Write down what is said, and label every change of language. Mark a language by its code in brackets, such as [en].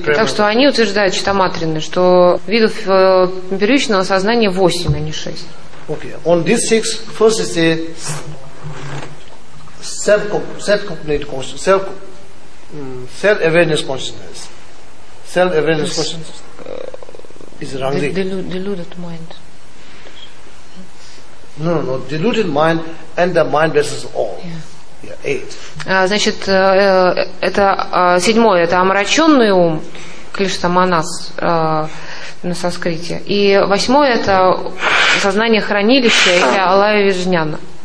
[ru] Так что они утверждают, читамантрины, что видов первичного сознания восемь, а не шесть. [en] Okay. On these six, first is the self-cognitive consciousness, self-awareness consciousness. Self-awareness consciousness. Is wrong. Deluded mind. No. Deluded mind and the mind versus all. Yeah. Eight. [ru] Значит, это седьмое, это омраченный ум, клишта манас на санскрите. И восьмое это сознание хранилища или алая вижняна.